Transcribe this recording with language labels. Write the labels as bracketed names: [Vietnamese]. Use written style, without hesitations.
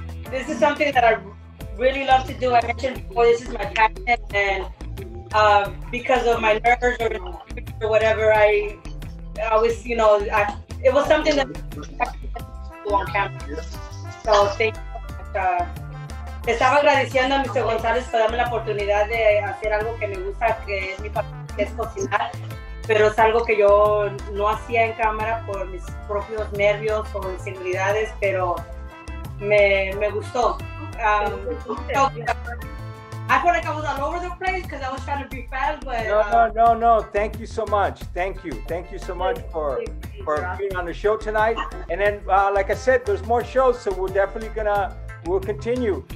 [English] This is something that I really love to do. I mentioned before, this is my passion, and because of my nerves or whatever, I was, you know, it was something that on camera. So thank you. [Spanish] Estaba agradeciendo a Mr. González por darme la oportunidad de hacer algo que me gusta, que es mi papá. Es cocinar, pero es algo que yo no hacía en cámara por mis propios nervios o inseguridades, pero me gustó. [English] I feel like I was all over the place because I was trying to be fast, but No. Thank you so much. Thank you so much for being on the show tonight. And then, like I said, there's more shows, so we're definitely gonna. We'll continue.